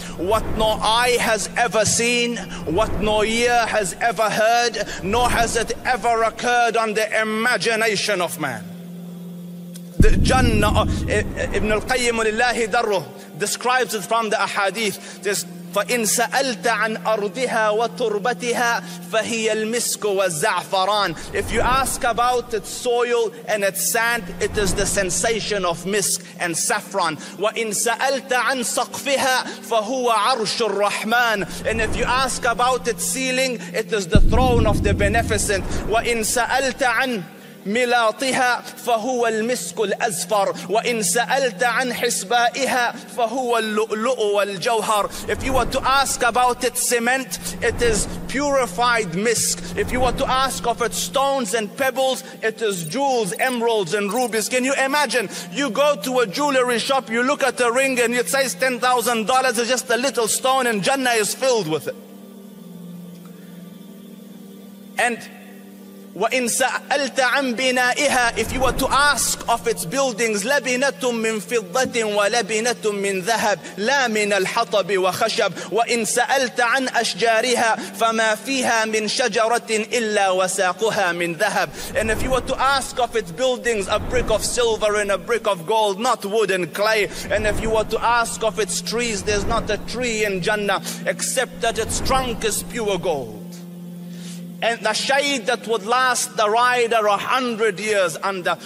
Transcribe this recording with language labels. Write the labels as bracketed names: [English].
[English] What no eye has ever seen, what no ear has ever heard, nor has it ever occurred on the imagination of man. The Jannah, Ibn al-Qayyim [Arabic] لله دره [English] describes it from the ahadith. [Arabic] This, فإن سألت عن أرضها وتربتها فهي المسك والزعفران. [English] If you ask about its soil and its sand, it is the sensation of misk and saffron. [Arabic] وإن سألت عن سقفها فهو عرش الرحمن. [English] And if you ask about its ceiling, it is the throne of the beneficent. [Arabic] وإن سألت عن ملاطها فهو المسك الأزفر وإن سألت عن حسبائها فهو اللؤلؤ والجوهر. [English] If you were to ask about its cement, it is purified misk. If you were to ask of its stones and pebbles, it is jewels, emeralds and rubies. Can you imagine? You go to a jewelry shop, you look at a ring and it says $10,000, is just a little stone, and Jannah is filled with it. [Arabic] And وَإِن سَأَلْتَ عَن بِنَائِهَا, [English] if you were to ask of its buildings, [Arabic] لَبِنَةٌ مِّن فِضَّةٍ وَلَبِنَةٌ مِّن ذَهَبٍ لَا مِنَ الْحَطَبِ وَخَشَبٍ وَإِن سَأَلْتَ عَن أَشْجَارِهَا فَمَا فِيهَا مِن شَجَرَةٍ إِلَّا وَسَاقُهَا مِن ذَهَبٍ. [English] And if you were to ask of its buildings, a brick of silver and a brick of gold, not wood and clay. And if you were to ask of its trees, there's not a tree in Jannah except that its trunk is pure gold. and the shade that would last the rider 100 years under.